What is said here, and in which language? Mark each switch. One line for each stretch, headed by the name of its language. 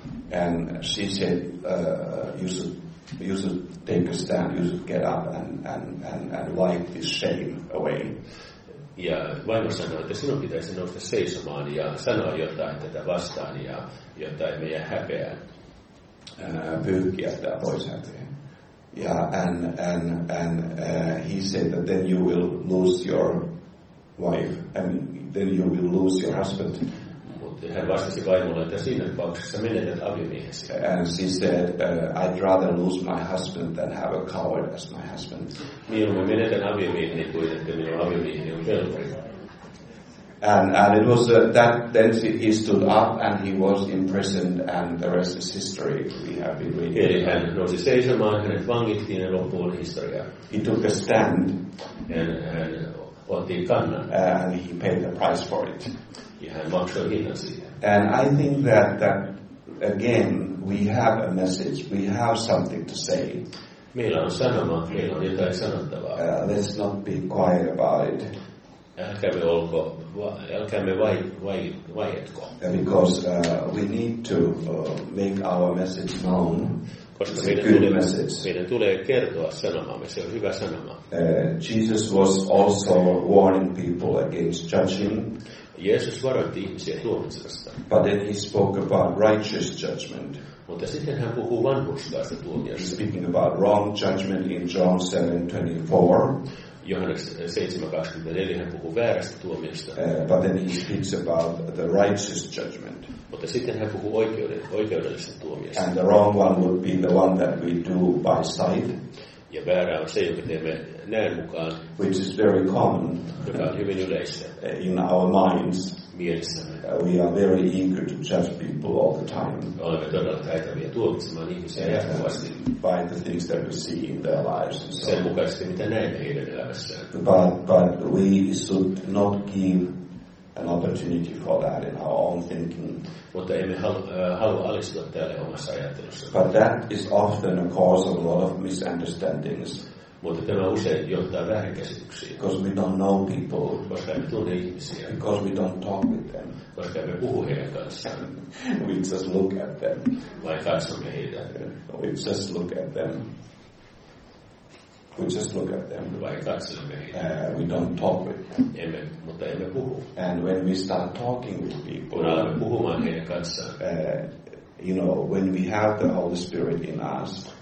English: And she said, you should take a stand, you should get up and wipe this shame away.
Finnish: Ja vaimo sanoi, että sinun pitäisi nousta seisomaan ja sanoa jotain tätä vastaan, ja jotta ei meidän häpeä pyyhkiä tämä pois häpeä.
English: Yeah, and he said that then you will lose your wife, and then you will lose your husband.
Finnish: Mutta hän vastasi vaimolle, että siinä tapauksessa menetät aviomiehesi.
English: And she said, I'd rather lose my husband than have a coward as my husband.
Finnish: Mieluummin menetän aviomieheni kuin että minun aviomieheni on velvollinen.
English: And it was that then he stood up and he was imprisoned and the rest is history. We have been reading.
Finnish: Eli hän nousi seisomaan, hänet vangittiin ja loppu on historia.
English: He took a stand.
Finnish: And otti kannan.
English: And he paid the price for it.
Finnish: Ja hän maksoi hinnan siitä.
English: And I think that again we have a message. We have something to say.
Finnish: Meillä on sanoma, meillä on jotain sanottavaa.
English: Let's not be quiet about it.
Finnish: Älkäämme olko, älkäämme vaietko.
English: Because we need to make our message known.
Finnish: Koska meidän tulee kertoa sanomamme, se on hyvä sanoma.
English: Jesus was also warning people against judging.
Finnish: Jeesus varoitti ihmisiä tuomitsemasta.
English: But then he spoke about righteous judgment.
Finnish: Mutta sitten hän puhuu vanhurskaasta tuomiosta.
English: Speaking about wrong judgment in John 7:24.
Finnish: Johannes 7:24 hän puhuu väärästä tuomiosta.
English: But then he speaks about the righteous judgment.
Finnish: Mutta sitten hän puhuu oikeudellisesta tuomiosta.
English: And the wrong one would be the one that we do by sight.
Finnish: ja väärä on se, jonka teemme näin mukaan,
English: which is very common,
Finnish: joka on hyvin yleistä.
English: In our minds,
Finnish: mielessämme,
English: we are very eager to judge people all the time.
Finnish: Olemme todella taitavia tuomitsemaan ihmisiä jatkuvasti.
English: By the things that we see in their lives. So.
Finnish: Sen mukaisesti, mitä näemme heidän elämässään.
English: But we should not give an opportunity for that in our own thinking.
Finnish: Mutta emme halua alistua tälle omassa ajattelussa.
English: But that is often a cause of a lot of misunderstandings.
Finnish: Mutta tämä usein johtaa väärinkäsityksiin.
English: Because we don't know people.
Finnish: Koska emme tunne ihmisiä.
English: Because we don't talk with them.
Finnish: Koska emme puhu heidän kanssaan.
English: We just look at them.
Finnish: Vai katsomme heitä.
English: We just look at them. We just look at them. We don't talk with them.
Finnish: Emme puhu.
English: And when we start talking with people,
Finnish: kun alamme puhumaan heidän kanssaan,
English: you know, when we have the Holy Spirit in us,